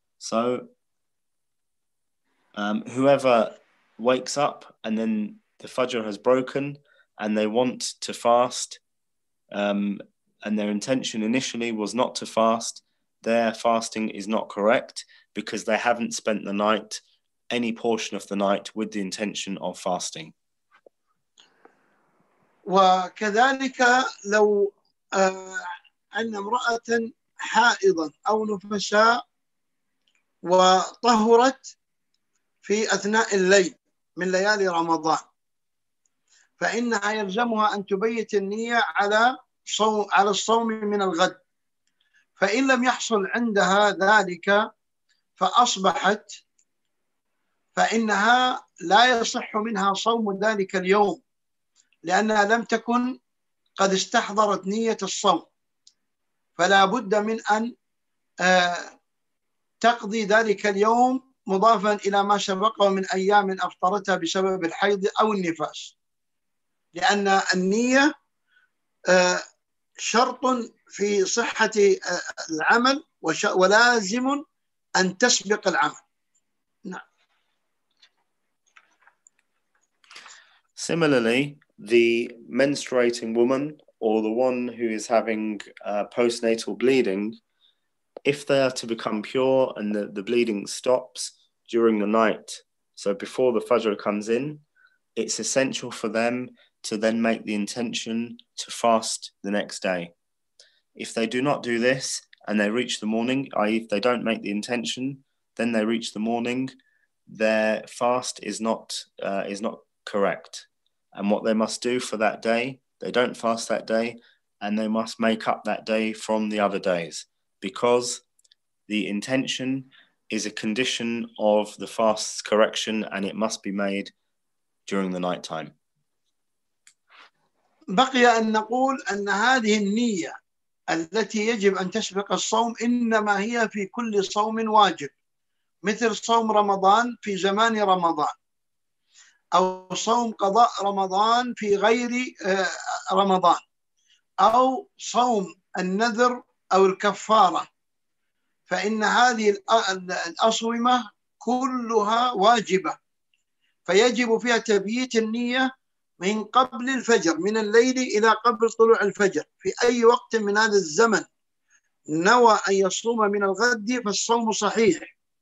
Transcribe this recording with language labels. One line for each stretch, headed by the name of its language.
English: So whoever wakes up and then the Fajr has broken and they want to fast and their intention initially was not to fast, their fasting is not correct because they haven't spent the night, any portion of the night, with the intention of fasting.
Arabic: وكذلك لو أن امرأة حائضا أو نفساء وطهرت في أثناء الليل من ليالي رمضان فإنها يلزمها أن تبيت النية على الصوم من الغد فإن لم يحصل عندها ذلك فأصبحت فإنها لا يصح منها صوم ذلك اليوم لأنها لم تكن قد استحضرت نية الصوم، فلا بد من أن تقضي ذلك اليوم مضافا إلى ما سبقه من أيام أفطرتها بسبب الحيض أو النفاس، لأن النية شرط في صحة العمل ولازم أن تسبق العمل.
English: Similarly, the menstruating woman or the one who is having postnatal bleeding, if they are to become pure and the bleeding stops during the night, so before the Fajr comes in, it's essential for them to then make the intention to fast the next day. If they do not do this and they reach the morning, i.e. if they don't make the intention, then they reach the morning, their fast is not correct. And what they must do for that day, they don't fast that day, and they must make up that day from the other days, because the intention is a condition of the fast's correction, and it must be made during the night time.
Arabic: بقي أن نقول أن هذه النية التي يجب أن تسبق الصوم إنما هي في كل صوم واجب، مثل صوم رمضان في زمان رمضان أو صوم قضاء رمضان في غير رمضان أو صوم النذر أو الكفارة، فإن هذه الأصومة كلها واجبة، فيجب فيها تبييت النية من قبل الفجر، من الليل إلى قبل طلوع الفجر، في أي وقت من هذا الزمن نوى أن يصوم من الغد فالصوم صحيح.